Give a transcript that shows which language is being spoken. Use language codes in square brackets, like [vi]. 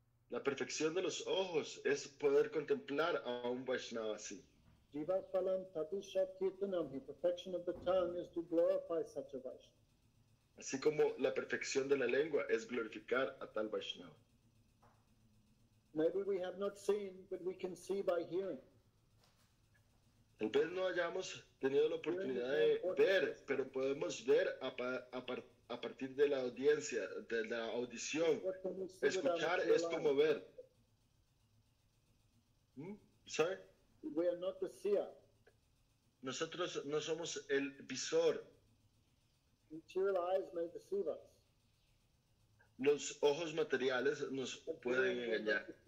[es] La perfección de los ojos es poder contemplar a un Vaishnava así. [sa] Jiva phalam tatusha kirtanam, [en] the perfection of the tongue is to glorify such a Vaishnava. [es] Así como la perfección de la lengua es glorificar a tal Vaishnava. [en] Maybe we have not seen, but we can see by hearing. [es] Tal vez no hayamos tenido la oportunidad de ver, pero podemos ver a partir de la audiencia, de la audición. Escuchar es como ver. [en] We are not the seer. [es] Nosotros no somos el visor. [en] Material eyes may deceive us. [es] Los ojos materiales nos pueden engañar.